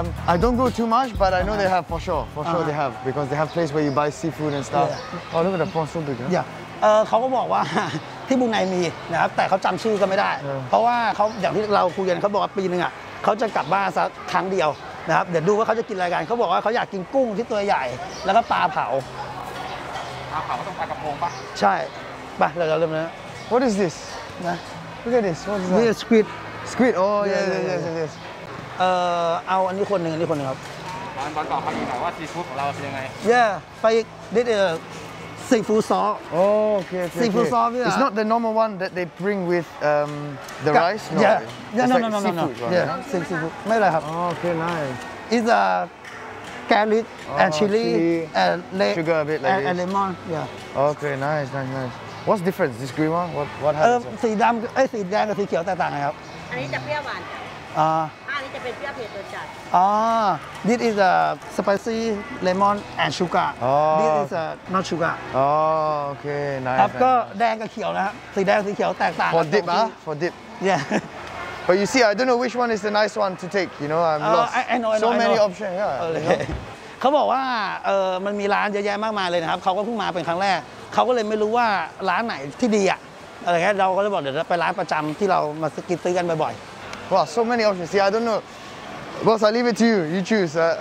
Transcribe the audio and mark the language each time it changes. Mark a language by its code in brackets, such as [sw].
[en] I don't go too much, but I know they have for sure they have because they have place where you buy seafood and stuff. Yeah. Oh, look at the pond so big. Huh? Yeah. [th] เขาก็บอกว่าที่บุนัยมีนะครับแต่เขาจำชื่อก็ไม่ได้เพราะว่าเขาอย่างที่เราคุยกันเขาบอกว่าปีนึงอ่ะเขาจะกลับบ้านสักครั้งเดียวนะครับเดี๋ยวดูว่าเขาจะกินอะไรกันเขาบอกว่าเขาอยากกินกุ้งที่ตัวใหญ่แล้วก็ปลาเผา ต้องปลากระพงปะ ใช่ไปเดี๋ยวเริ่มนะ [en] What is this [th] นะ [en] Look at this. What is that? Yeah, squid. Squid. Oh, yes. [th] เอาอันนี้คนหนึ่งอันนี้คนหนึ่งครับ ร้านบ้านเกาะครับมีหน่อยว่าซีฟู้ดของเราเป็นยังไง [en] Yeah, fish. This is seafood sauce. Oh, okay. Seafood sauce. It's not the normal one that they bring with the rice. No. Yeah, no. Yeah, seafood. [th] ไม่เลยครับ [en] Okay, nice. It's a garlic and chili and sugar a bit like this and lemon. Yeah. Okay, nice. What's the difference? This green one? What happens? [th] สีดำไอ้สีแดงกับสีเขียวแตกต่างไงครับันนี้จะเปรี้ยวหวาน อัน นี้จะเป็นเปรี้ยวเผ็ดจัดอ๋อ [en] this is a spicy lemon and sugar this is a not sugar [th] อ๋อโอเค nice ครับก็แดงกับเขียวนะสีแดงสีเขียวแตกต่างกัน [en] for dip for dip yeah but you see I don't know which one is the nice one to take you know I'm lost I know. so many options yeah [th] เขาบอกว่ามันมีร้านเยอะแยะมากมายเลยนะครับเขาก็เพิ่งมาเป็นครั้งแรกเขาก็เลยไม่รู้ว่าร้านไหนที่ดีอะอะไรเงี้ยเราก็จะบอกเดี๋ยวไปร้านประจำที่เรามาสกินซื้อกันบ่อย [en] ๆ wow so many options yeah I don't know boss I leave it to you you choose